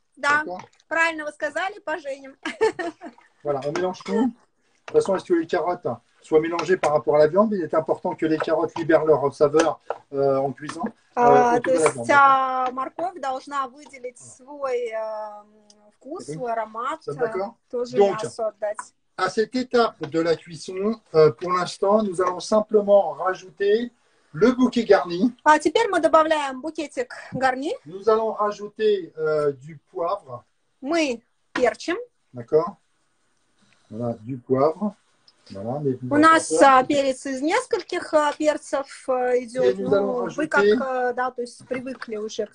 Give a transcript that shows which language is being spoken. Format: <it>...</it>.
<ru>Да, правильно вы сказали, поженим.</ru> <fr>Voilà, on mélange tout. De toute façon, est-ce que les carottes soient mélangées par rapport à la viande? Il est important que les carottes libèrent leur saveur en cuisant.</fr> <ru>То есть вся морковь должна выделить свой вкус, свой аромат, тоже</ru> <fr>donc,</fr> <ru>мясо отдать.</ru> <fr>À cette étape de la cuisson, pour l'instant, nous allons simplement rajouter le bouquet garni.</fr> <ru>А теперь мы добавляем букетик гарни.</ru> <fr>Nous allons rajouter du poivre.</fr> <ru>Мы перчим.</ru> <fr>D'accord. Voilà, du poivre.</fr> <ru>У нас перец из нескольких перцев идет. Вы как, да, то есть привыкли уже к</ru>